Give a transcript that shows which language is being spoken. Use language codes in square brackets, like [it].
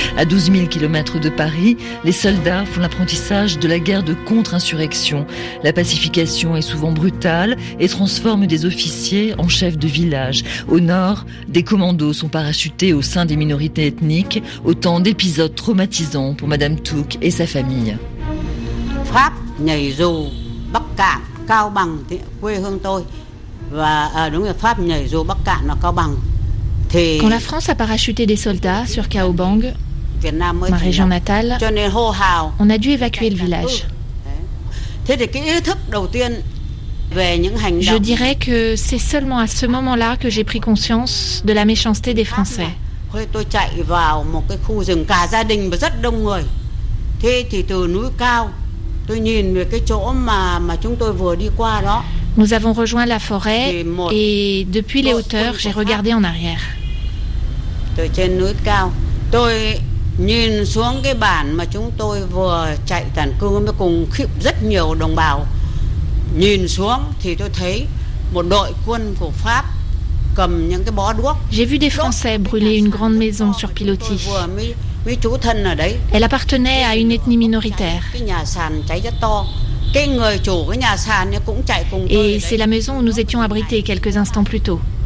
[fr] À 12 000 km de Paris, les soldats font l'apprentissage de la guerre de contre-insurrection. La pacification est souvent brutale et transforme des officiers en chefs de village. Au nord, des commandos sont parachutés au sein des minorités ethniques, autant d'épisodes traumatisants pour Madame Touc et sa famille. [vi] Pháp nhảy dù Bắc Cạn Cao Bằng quê hương tôi và đúng là Pháp nhảy dù Bắc Cạn là Cao Bằng. [fr] Quand la France a parachuté des soldats sur Cao Bằng, ma région natale, on a dû évacuer le village. [vi] Thế thì cái ý thức đầu tiên. [fr] Je dirais que c'est seulement à ce moment-là que j'ai pris conscience de la méchanceté des Français. [vi] Tôi chạy vào một cái khu rừng cả gia đình và rất đông người. Thế thì từ núi cao tôi nhìn về cái chỗ mà chúng tôi vừa đi qua đó. [fr] Nous avons rejoint la forêt et depuis les hauteurs, j'ai regardé en arrière. [vi] Từ trên núi cao, tôi nhìn xuống cái bản mà chúng tôi vừa chạy tản cư với cùng khiếp rất nhiều đồng bào. Nhìn xuống thì tôi thấy một đội quân của Pháp. [fr] J'ai vu des Français brûler une grande maison sur pilotis. Elle appartenait à une ethnie minoritaire. Et c'est la maison où nous étions abrités quelques instants plus tôt.